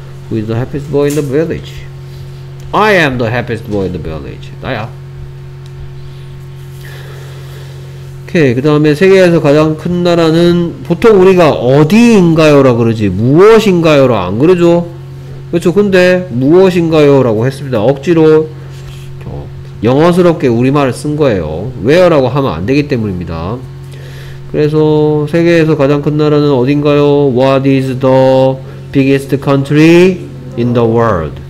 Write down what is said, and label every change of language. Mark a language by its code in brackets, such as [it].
[en] who is the happiest boy in the village I am the happiest boy in the village [ko] 나야. 오케이 그 다음에 세계에서 가장 큰 나라는 보통 우리가 어디인가요 라 그러지 무엇인가요 라 안 그러죠. 그렇죠. 근데 무엇인가요 라고 했습니다. 억지로 영어스럽게 우리말을 쓴 거예요. where라고 하면 안 되기 때문입니다. 그래서 세계에서 가장 큰 나라는 어딘가요? [en] what is the biggest country in the world?